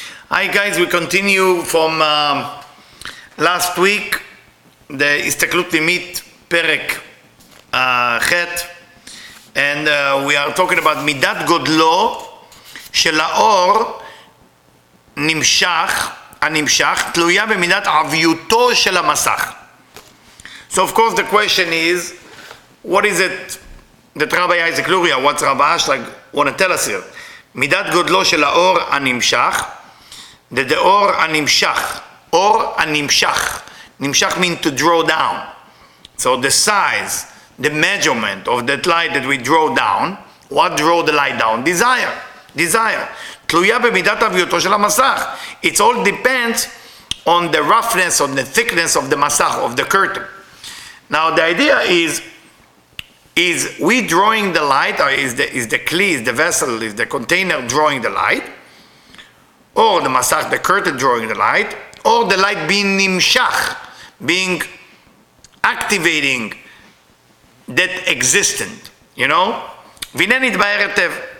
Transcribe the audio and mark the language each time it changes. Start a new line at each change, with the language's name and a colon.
English: Hi guys, we continue from last week, the Histeklut Pnimit Perek Chet, and we are talking about Midat Godlo
Hebrew: של האור נמשך, הנמשך, תלויה במידת עביותו של המסך.
English: So of course the question is, what is it that Rabbi Isaac Luria, what's Rabbi Ashlag want to tell us here?
Hebrew: מידת גודלו של האור הנמשך, the אור הנמשך, אור הנמשך, נמשך
English: mean to draw down. So the size, the measurement of that light that we draw down, what draw the light down? Desire. Desire.
Hebrew: תלויה במידת עביותו של המסך.
English: It all depends on the roughness, on the thickness of the masach, of the curtain. Now the idea is we drawing the light, or is the kli, is the vessel, is the container drawing the light, or the masach, the curtain drawing the light, or the light being nimshach, being activating that existent, you know?
Hebrew: והנה נתבהר היטב.